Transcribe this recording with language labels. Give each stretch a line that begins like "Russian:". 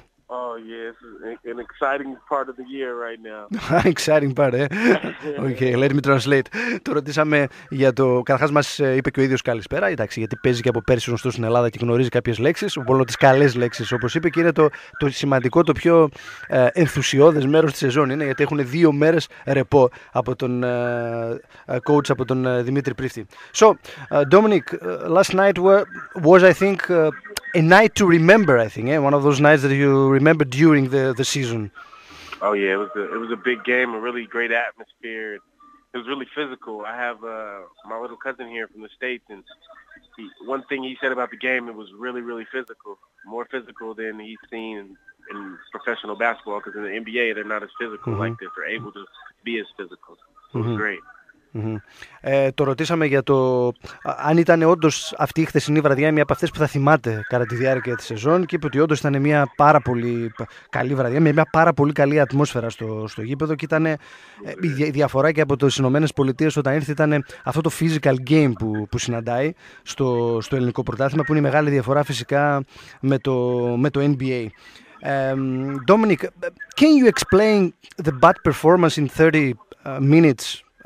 English: Oh, yes, an exciting part of the year right now. Exciting part, eh? Okay, let me translate.
Greek: Το ρωτήσαμε για το... Καταρχάς μας είπε και ο ίδιος καλησπέρα, εντάξει, γιατί παίζει και από πέρσι γνωστό στην Ελλάδα και γνωρίζει κάποιες λέξεις, μόνο τις καλές λέξεις, όπως είπε, και είναι το σημαντικό, το πιο ενθουσιώδες μέρος της σεζόν, είναι γιατί έχουν 2 μέρες ρεπό από τον coach, από τον Δημήτρη Πρίφτη.
English: So, Dominic, last night was, I think... A night to remember, I think, one of those nights that you remember during the season. Oh yeah, it was a big game, a really great atmosphere. It was really physical. I have my little cousin here from the States, and one thing he said about the game, it was really, really physical, more physical than he's seen in professional basketball, because in the NBA, they're not as physical mm-hmm. like this. They're able to be as physical. So mm-hmm. it was great. Mm-hmm.
Greek: Το ρωτήσαμε για το αν ήταν όντως αυτή η χθεσινή βραδιά μια από αυτές που θα θυμάται κατά τη διάρκεια της σεζόν, και είπε ότι όντως ήταν μια πάρα πολύ καλή βραδιά, μια πάρα πολύ καλή ατμόσφαιρα στο γήπεδο, και ήταν η διαφορά και από τις Ηνωμένες Πολιτείες όταν ήρθε, ήταν αυτό το
English: physical game
Greek: που συναντάει στο ελληνικό πρωτάθλημα, που είναι η μεγάλη διαφορά φυσικά με το NBA.
English: Dominic, can you explain the bad performance in 30 minutes?